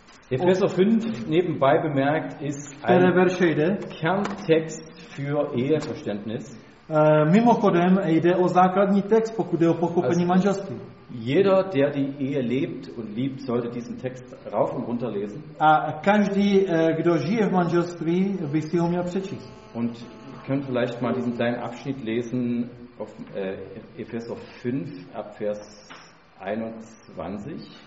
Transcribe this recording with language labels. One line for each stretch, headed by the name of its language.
German: Epheser 5, nebenbei bemerkt, ist ein Kerntext für Eheverständnis.
Czech: Mimochodem jde o základní text, pokud je o pochopení manželství.
German: Jeder, der die Ehe lebt und liebt, sollte diesen Text rauf und runter lesen.
Czech: A každý, kdo žije v manželství, by si ho měl přečíst.
German: Und könnt vielleicht mal diesen kleinen Abschnitt lesen auf Epheser 5 ab Vers 21.